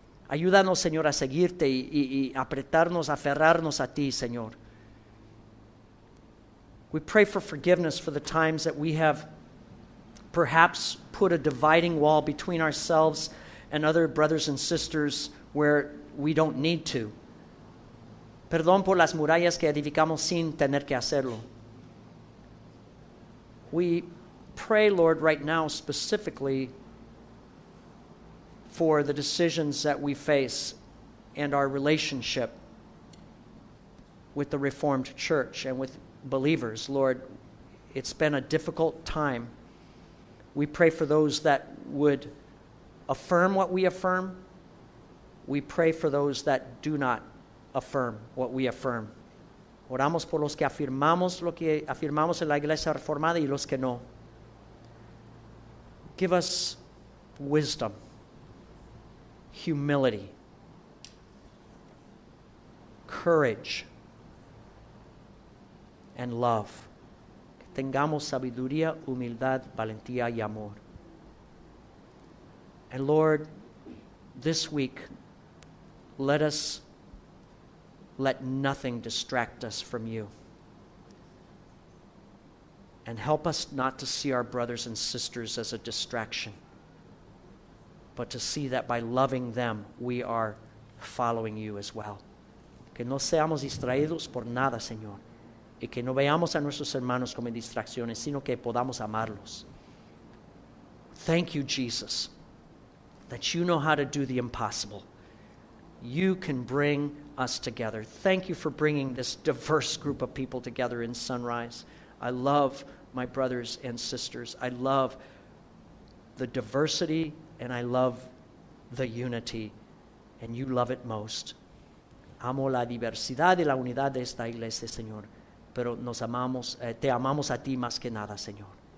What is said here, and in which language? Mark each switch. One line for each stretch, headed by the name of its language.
Spanish: Ayúdanos, Señor, a seguirte y apretarnos, aferrarnos a ti, Señor.
English: We pray for forgiveness for the times that we have perhaps put a dividing wall between ourselves and other brothers and sisters where we don't need to.
Spanish: Perdón por las murallas que edificamos sin tener que hacerlo.
English: We pray, Lord, right now specifically for the decisions that we face and our relationship with the Reformed Church and with believers. Lord, it's been a difficult time. We pray for those that would affirm what we affirm. We pray for those that do not affirm what we affirm.
Spanish: Oramos por los que afirmamos lo que afirmamos en la Iglesia Reformada y los que no.
English: Give us wisdom, humility, courage, and love.
Spanish: Que tengamos sabiduría, humildad, valentía y amor.
English: And Lord, this week, let us let nothing distract us from you. And help us not to see our brothers and sisters as a distraction, but to see that by loving them, we are following you as well.
Spanish: Que no seamos distraídos por nada, Señor, y que no veamos a nuestros hermanos como distracciones, sino que podamos amarlos.
English: Thank you, Jesus, that you know how to do the impossible. You can bring us together. Thank you for bringing this diverse group of people together in Sunrise. I love my brothers and sisters. I love the diversity, and I love the unity, and you love it most.
Spanish: Amo la diversidad y la unidad de esta iglesia, Señor, pero te amamos a ti más que nada, Señor.